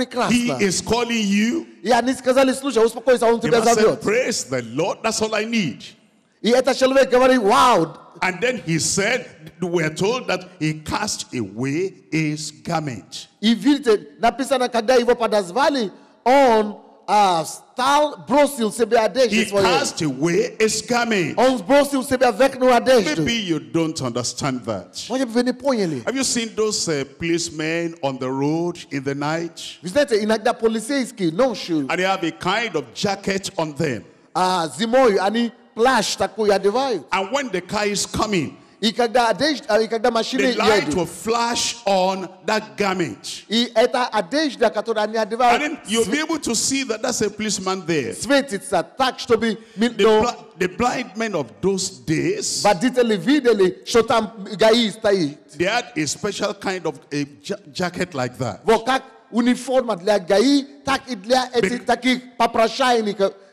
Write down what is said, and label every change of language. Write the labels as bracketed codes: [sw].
[en] He is calling you. He said, praise the Lord, that's all I need. [ru] И этот человек говорит, wow. [en] And then he said, we are told that he cast away his garment. [ru] И видите, написано, когда его подозвали, он стал бросил себе одежду [en] свою. He cast away his garment. [ru] Он бросил себе верхнюю одежду. [en] Maybe you don't understand that. [ru] Вы не поняли? [en] Have you seen those policemen on the road in the night? [ru] Вы знаете, иногда полицейские ночью. [en] And they have a kind of jacket on them. [ru] Зимой они flash такой одевают. [en] And when the car is coming, [ru] и когда одежда, и когда машина [en] едет, the light will flash on that garment. [ru] И это одежда, которую они одевают, [en] and then you'll be able to see that that's a policeman there. [ru] Светится так, чтобы [en] the blind men of those days, [ru] водители видели, что там гаи стоит. [en] They had a special kind of a jacket like that. [ru] Во как униформа для гаи, так и для этих таких попрошайников.